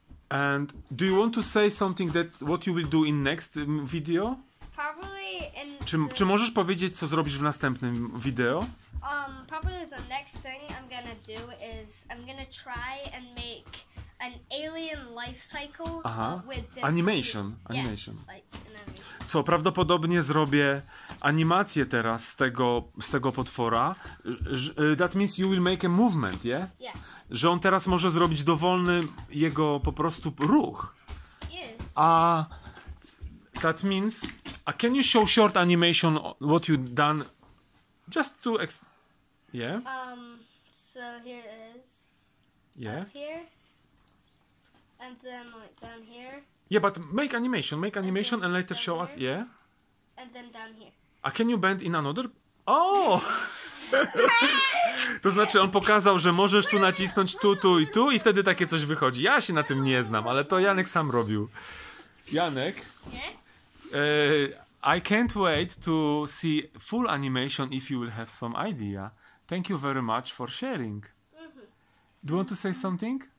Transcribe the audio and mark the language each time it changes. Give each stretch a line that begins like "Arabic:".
English: And do you want to say something that what you will do in next video? Probably in
Polish: Czy możesz powiedzieć, co zrobisz w następnym wideo?
English: Probably the next thing I'm gonna do is I'm gonna try and make an alien life cycle with this animation. Yeah, animation. Like,
Polish: co prawdopodobnie zrobię animację teraz z tego potwora.
English: That means you will make a movement, yeah? Yeah.
Polish: Że on teraz może zrobić dowolny jego po prostu ruch.
English: Yeah. That means, can you show short animation what you done? Just to yeah. So here it is. Yeah. Up here. And then like down here. Yeah, but make animation and later show here. Us. Yeah. And then down here. A can you bend in another? Oh.
Polish: To znaczy, on pokazał, że możesz tu nacisnąć tu i tu i wtedy takie coś wychodzi. Ja się na tym nie znam, ale to Janek sam robił. Janek,
English: I can't wait to see full animation if you will have some idea. Thank you very much for sharing. Mm-hmm. Do you want to say something?